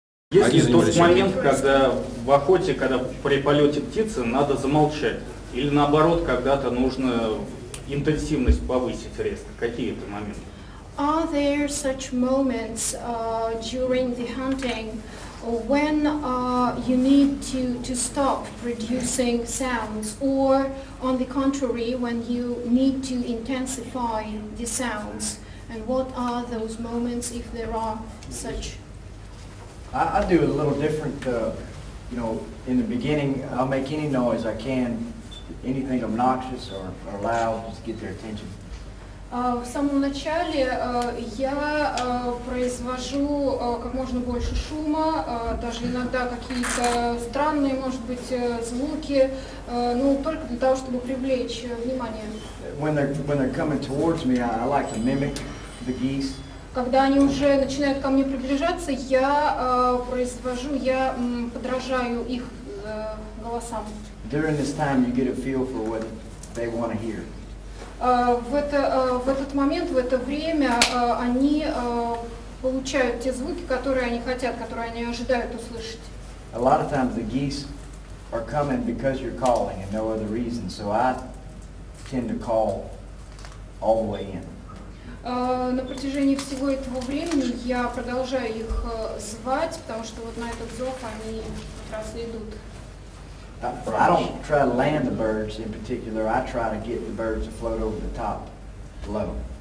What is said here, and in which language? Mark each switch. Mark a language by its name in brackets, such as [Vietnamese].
[Russian] Есть ли тот момент, когда в охоте, когда при полете птицы, надо замолчать? Или наоборот, когда-то нужно интенсивность повысить резко? Какие это моменты? [English] Are there such moments during the hunting when you need to stop producing sounds, or on the contrary, when you need to intensify the sounds? And what are those moments, if there are such? I do it a little different. In the beginning, I'll make any noise I can, anything obnoxious or loud, just to get their attention. [Russian] В самом начале я произвожу как можно больше шума, даже иногда какие-то странные, может быть, звуки, ну, только для того, чтобы привлечь внимание. [English] When they're coming towards me, I like to mimic the geese. [Russian] Когда они уже начинают ко мне приближаться, я произвожу, я подражаю их голосам. [English] During this time you get a feel for what they want to hear. [Russian] В это время они получают те звуки, которые они хотят, которые они ожидают услышать. [English] A lot of times the geese are coming because you're calling and no other reason, so I tend to call all the way in. [Russian] На протяжении всего этого времени я продолжаю их звать, потому что вот на этот зов они как раз и идут. [English] I don't try to land the birds in particular. I try to get the birds to float over the top, low.